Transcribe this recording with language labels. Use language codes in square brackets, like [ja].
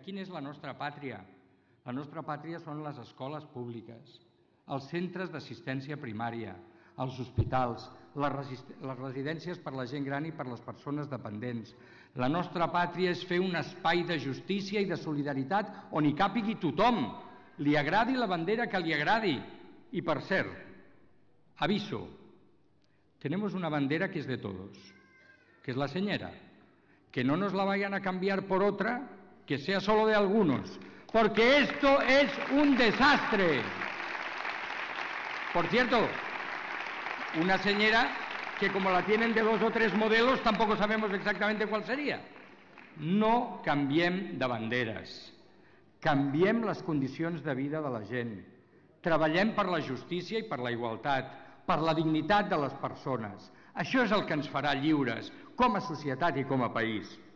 [ca] Quina és la nostra pàtria? La nostra pàtria són les escoles públiques, els centres d'assistència primària, els hospitals, les residències per a la gent gran i per a les persones dependents. La nostra pàtria és fer un espai de justícia i de solidaritat on hi càpigui tothom, li agradi la bandera que li agradi. I per cert, [es] aviso, tenemos una bandera que es de todos, que es la señera. Que no nos la vayan a cambiar por otra, que sea solo de algunos. Porque esto es un desastre. Por cierto, una señera que como la tienen de dos o tres modelos, tampoco sabemos exactamente cuál sería. No cambiem de banderas. Cambiem las condiciones de vida de la gent. [ca] Treballem per la justícia i per la igualtat, per la dignitat de les persones. Això és el que ens farà lliures com a societat i com a país.